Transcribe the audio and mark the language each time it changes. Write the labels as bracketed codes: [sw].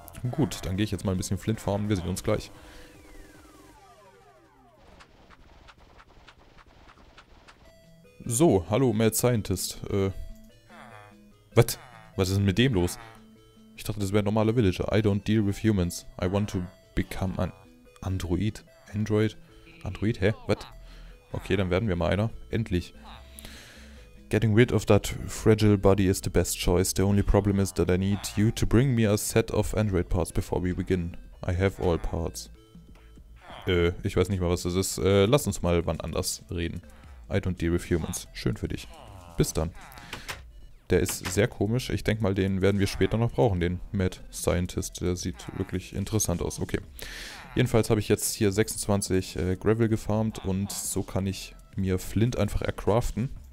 [de] Gut, dann gehe ich jetzt mal ein bisschen Flint farmen. Wir sehen uns gleich. So, hallo Mad Scientist. Was ist denn mit dem los? Ich dachte, das wäre ein normaler Villager. [en] I don't deal with humans. I want to become an Android. [de] Android? Android? Hä? Was? Okay, dann werden wir mal einer. Endlich. [en] Getting rid of that fragile body is the best choice. The only problem is that I need you to bring me a set of Android parts before we begin. I have all parts. [de] Ich weiß nicht mal, was das ist. Lass uns mal wann anders reden. [en] I don't deal with humans. [de] Schön für dich. Bis dann. Der ist sehr komisch. Ich denke mal, den werden wir später noch brauchen, den Mad Scientist. Der sieht wirklich interessant aus. Okay. Jedenfalls habe ich jetzt hier 26 Gravel gefarmt und so kann ich mir Flint einfach ercraften.